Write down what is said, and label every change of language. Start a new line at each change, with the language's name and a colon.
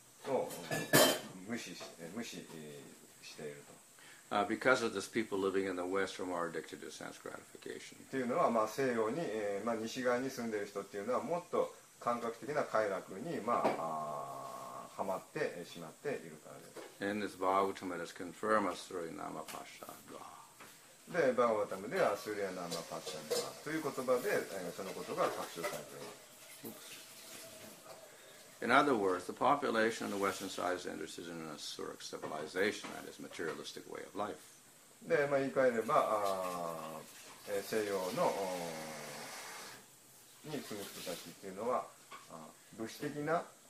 Japanese: を無視して、無視していると。
English: Because of this, people living in the West are more addicted to sense gratification.
Japanese: というのは、まあ、西洋に、まあ、西側に住んでいる人というのはもっと感覚的な快楽に、まあ、はまってしまっているからです。
English: And this Bhagavatam has confirmed us through Nama Pasha Dva.
Japanese: で、バーガータムではスリアナマパッシャンダーという言葉で、そのことが確証されています。
English: Oops. In other words, the population on the western side is interested in an Asuric civilization, that is, materialistic way of life.
Japanese: で、まあ、言い換えれば、西洋のに住む人たちっていうのは、物質的な、